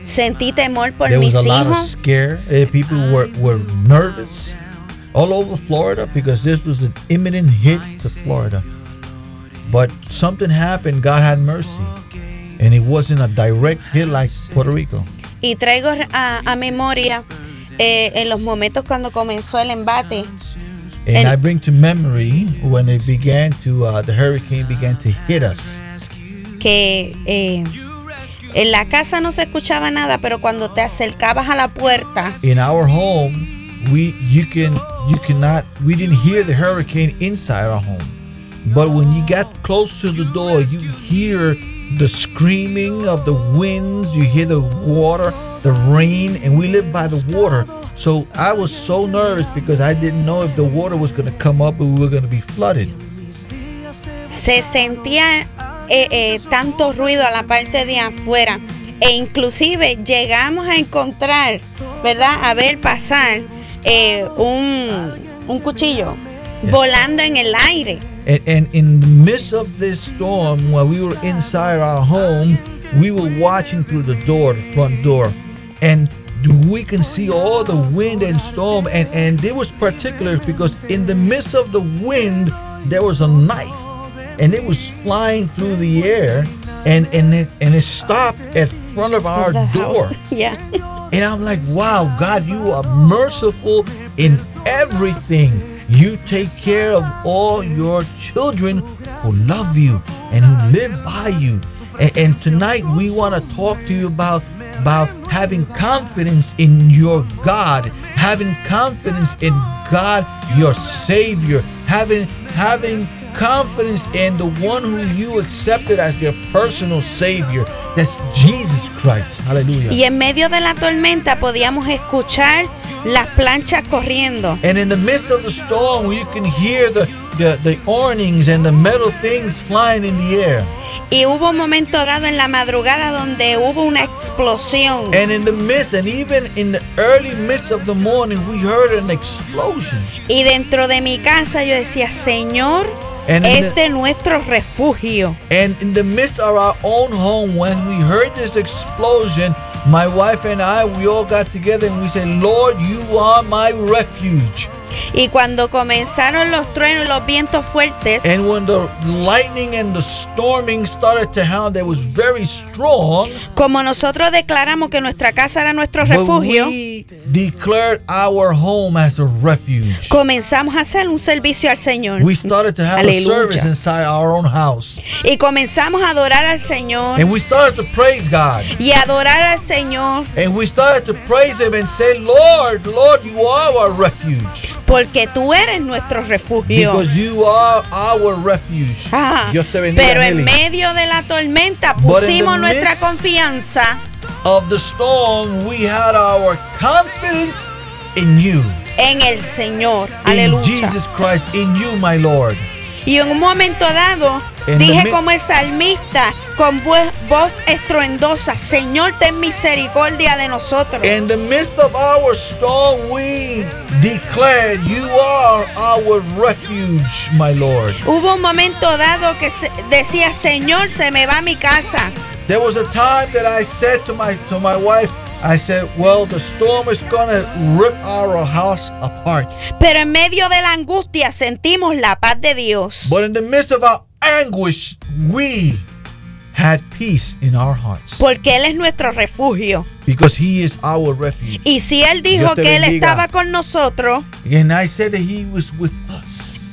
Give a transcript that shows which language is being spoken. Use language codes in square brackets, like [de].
[es] Sentí temor por mis hijos. [en] There was a lot of scare. People were nervous. all over Florida because this was an imminent hit to Florida. But something happened, God had mercy, and it wasn't a direct hit like Puerto Rico. [es] Y traigo a memoria en los momentos cuando comenzó el embate. [en] And I bring to memory when it began to, the hurricane began to hit us. [es] Que en la casa no se escuchaba nada, pero cuando te acercabas a la puerta. [en] In our home, we didn't hear the hurricane inside our home. But when you got close to the door, you hear the screaming of the winds, you hear the water, the rain, and we live by the water. So I was so nervous because I didn't know if the water was going to come up or we were going to be flooded. [es] Se sentía tanto ruido a la parte de afuera. E inclusive llegamos a encontrar, ¿verdad? A ver pasar un cuchillo volando en el aire. [en] And in the midst of this storm, while we were inside our home, we were watching through the door, the front door. And we can see all the wind and storm, and it was particular because in the midst of the wind there was a knife, and it was flying through the air, and it stopped at front of our door. Yeah. And I'm like, wow, God, you are merciful in everything. You take care of all your children who love you and who live by you. And tonight we want to talk to you about having confidence in your God, having confidence in God, your Savior, having confidence in the one who you accepted as your personal Savior, that's Jesus Christ. Hallelujah. [es] Y en medio de la tormenta podíamos escuchar las planchas corriendo. [en] And in the midst of the storm, you can hear the awnings and the metal things flying in the air. [es] Y hubo un momento dado en la madrugada donde hubo una explosión. [en] And in the midst, and even in the early midst of the morning, we heard an explosion. [es] Y dentro de mi casa yo decía, Señor, este es nuestro refugio. [en] And in the midst of our own home, when we heard this explosion, my wife and I, we all got together and we said, Lord, you are my refuge. [es] Y cuando comenzaron los truenos, los vientos fuertes, [en] and when the lightning and the storming started to happen, that was very strong. [es] Como nosotros declaramos que nuestra casa era nuestro refugio, [en] we declared our home as a refuge. [es] Comenzamos a hacer un servicio al Señor. [en] We started to have a service inside our own house. [es] Y comenzamos a adorar al Señor. [en] And we started to praise God. [es] Y adorar al Señor. [en] And we started to praise Him and say, Lord, Lord, you are our refuge. [es] Porque tú eres nuestro refugio. [en] Because you are our refuge. [es] Dios te bendiga, pero en Millie. Medio de la tormenta pusimos nuestra confianza. [en] Of the storm, we had our confidence in you. [es] En el Señor. Aleluya. [en] In Jesus Christ, in you, my Lord. [es] Y en un momento dado, in dije como el salmista, con voz estruendosa, Señor, ten misericordia de nosotros. [en] In the midst of our storm, we declared, you are our refuge, my Lord. [es] Hubo un momento dado que decía, Señor, se me va mi casa. [en] There was a time that I said to my wife, I said, well, the storm is going to rip our house apart. [es] Pero en medio de la angustia sentimos la paz de Dios. [en] But in the midst of our anguish, we had peace in our hearts. [es] Porque Él es nuestro refugio. [en] Because He is our refuge. [es] Y si Él dijo que Él estaba con nosotros, [en] and I said that He was with us,